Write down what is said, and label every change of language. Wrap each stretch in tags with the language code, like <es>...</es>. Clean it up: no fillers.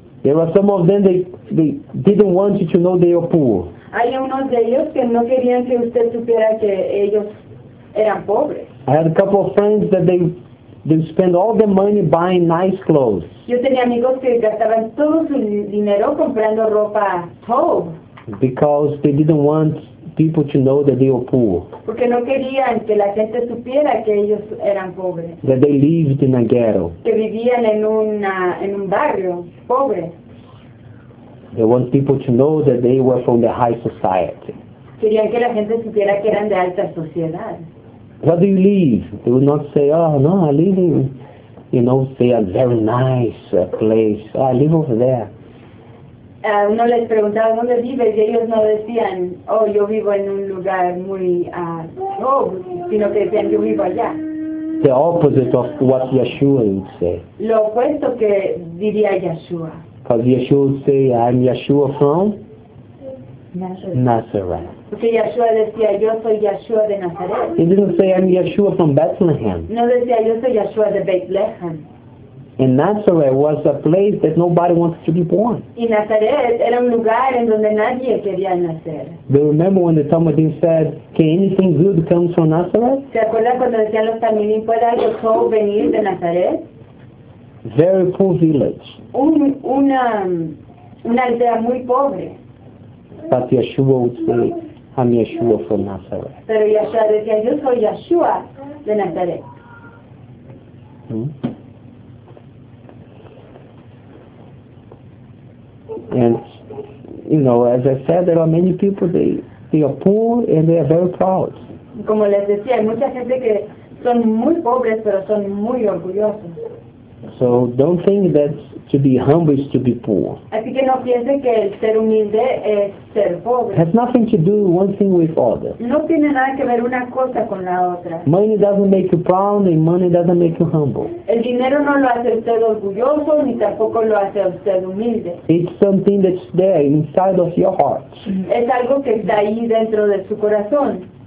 <en>There were some of them they didn't want you to know they were poor.</en> <es>Hay unos de ellos que no querían que usted supiera que ellos eran pobres.</es> <en>I had a couple of friends that they spend all their money buying nice clothes.</en> <es>Yo tenía amigos que gastaban todo su dinero comprando ropa top.</es> <en>Because they didn't want people to know that they were poor.</en> <es>Porque no querían que la gente supiera que ellos eran pobres.</es> <en>That they lived in a ghetto.</en> <es>Que vivían en un barrio pobre.</es> <en>They want people to know that they were from the high society.</en> <es>Querían que la gente supiera que eran de alta sociedad.</es> <en>Where do you live? They would not say, oh no, I live in, say a very nice place. Oh, I live over there.</en> <es>Uno les preguntaba dónde vives y ellos no decían, oh, yo vivo en un lugar muy sino que decían, yo vivo allá.</es> <en>The opposite of what Yeshua would say.</en> <es>Lo opuesto que diría Yeshua.</es> <en>Because Yeshua would say, I'm Yeshua from Nazareth.</en> <es>Porque Yeshua decía, yo soy Yeshua de Nazaret.</es> <en>He didn't say, I'm Yeshua from Bethlehem.</en> <es>No decía, yo soy Yeshua de Bethlehem.</es> <en>And Nazareth was a place that nobody wanted to be born.</en> <es>Y Nazaret era un lugar en donde nadie quería nacer.</es> <en>They remember when the Talmudim said, can anything good come from Nazareth?</en> <es>¿Se acuerdan cuando decían los Talmudim, puede algo bueno venir de Nazaret?</es> <en>Very poor village.</en> <es>Una aldea muy pobre.</es> <en>But Yeshua would say, I'm Yeshua from Nazareth.</en> <es>Pero Yeshua decía, yo soy Yeshua de Nazaret.</es> <en>And, as I said, there are many people, they are poor and they are very proud.</en> <es>Como les decía, hay mucha gente que son muy pobres, pero son muy orgullosos.</es> <en>So don't think that To be humble is to be poor.</en> <es>Así que no piense que el ser humilde es ser pobre.</es> <en>It has nothing to do one thing with other.</en> <es>No tiene nada que ver una cosa con la otra.</es> <en>Money doesn't make you proud, and money doesn't make you humble.</en> <es>El dinero no lo hace usted orgulloso, ni tampoco lo hace usted humilde.</es> <en>It's something that's there inside of your heart.</en> <es>Es algo que está ahí dentro de su corazón.</es>